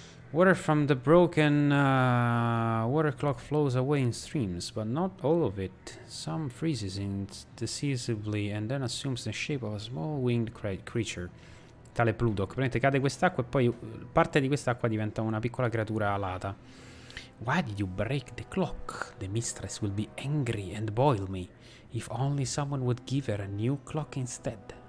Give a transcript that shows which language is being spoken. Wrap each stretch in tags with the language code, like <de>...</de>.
<en>Water from the broken water clock flows away in streams, but not all of it. Some freezes indecisively and then assumes the shape of a small winged creature. Tale Plutok.</en> <it>Praticamente cade quest'acqua e poi parte di quest'acqua diventa una piccola creatura alata.</it> <en>Why did you break the clock? The mistress will be angry and boil me. If only someone would give her a new clock instead.</en>